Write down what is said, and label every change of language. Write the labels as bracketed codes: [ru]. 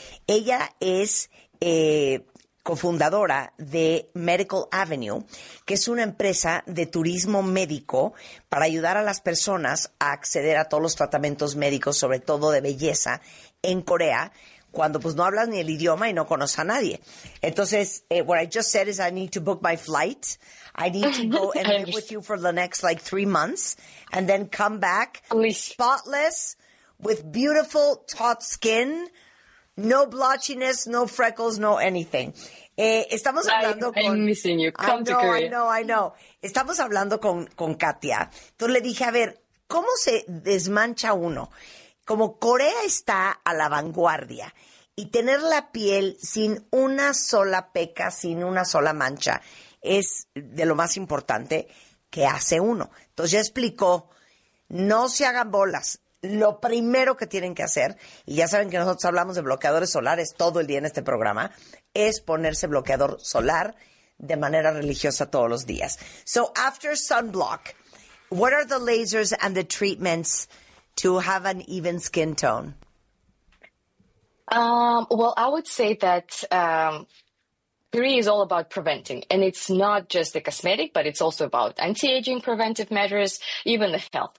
[es] Ella es cofundadora de Medical Avenue, que es una empresa de turismo médico para ayudar a las personas a acceder a todos los tratamientos médicos, sobre todo de belleza, en Corea, cuando pues no hablas ni el idioma y no conoces a nadie. [en] Entonces, what I just said is I need to book my flight. I need to go and live with you for the next like 3 months and then come back spotless with beautiful taut skin. No blotchiness, no freckles, no anything. [es] Estamos hablando con... [en] I'm missing you. Come to Korea. I know. [es] Estamos hablando con Katia. Entonces le dije, a ver, ¿cómo se desmancha uno? Como Corea está a la vanguardia y tener la piel sin una sola peca, sin una sola mancha, es de lo más importante que hace uno. Entonces ya explicó, no se hagan bolas. Lo primero que tienen que hacer, y ya saben que nosotros hablamos de bloqueadores solares todo el día en este programa, es ponerse bloqueador solar de manera religiosa todos los días. [en] So after sunblock, what are the lasers and the treatments to have an even skin tone? Well, I would say that Korea is all about preventing, and it's not just the cosmetic, but it's also about anti-aging preventive measures, even the health.